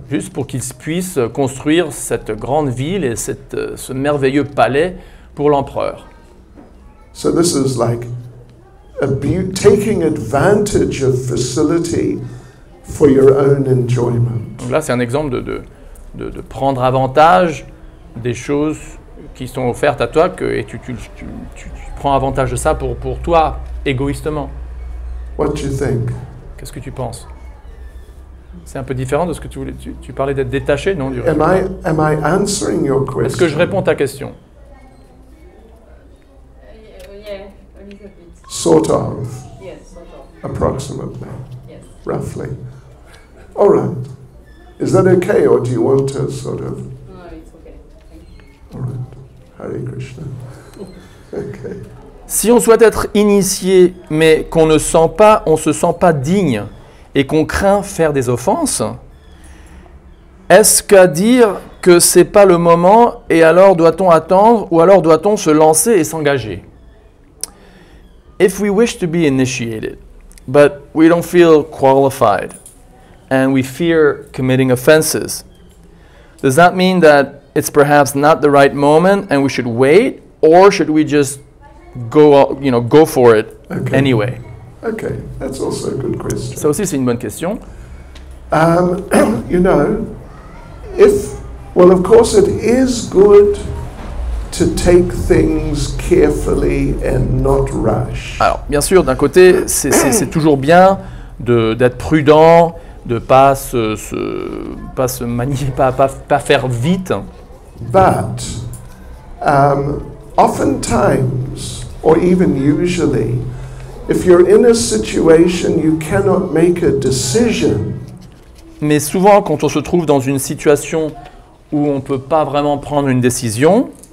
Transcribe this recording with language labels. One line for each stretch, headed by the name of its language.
French: Juste pour qu'ils puissent construire cette grande ville et ce merveilleux palais pour l'empereur.
English: So this is like taking advantage of facility for your own enjoyment.
French: Donc là, c'est un exemple de prendre avantage des choses qui sont offertes à toi et tu prends avantage de ça pour toi égoïstement.
English: What you think?
French: Qu'est-ce que tu penses? C'est un peu différent de ce que tu voulais. Tu parlais d'être détaché, non?
English: Am I answering your question?
French: Est-ce que je réponds ta question?
English: Yeah, a little bit. Sort of. Yes, sort of. Approximately. Yes. Roughly. All right. Is that okay, or do you want to sort of? No, it's okay. Thank you. All right. Hare Krishna. Okay.
French: Si on souhaite être initié, mais qu'on ne sent pas, on se sent pas digne et qu'on craint faire des offenses, est-ce qu'à dire que c'est pas le moment et alors doit-on attendre ou alors doit-on se lancer et s'engager?
English: If we wish to be initiated, but we don't feel qualified and we fear committing offenses, does that mean that it's perhaps not the right moment and we should wait, or should we just go for it, okay. Anyway. Okay, that's also a good question.
French: Ça aussi, c'est une bonne question.
English: You know, if, well, of course, it is good to take things carefully and not rush.
French: Alors, bien sûr, d'un côté, c'est toujours bien d'être prudent, de pas faire vite.
English: But oftentimes, or even usually, if you're in a situation you cannot make a decision.
French: Mais souvent, quand on se trouve dans une situation où on peut pas vraiment prendre une décision,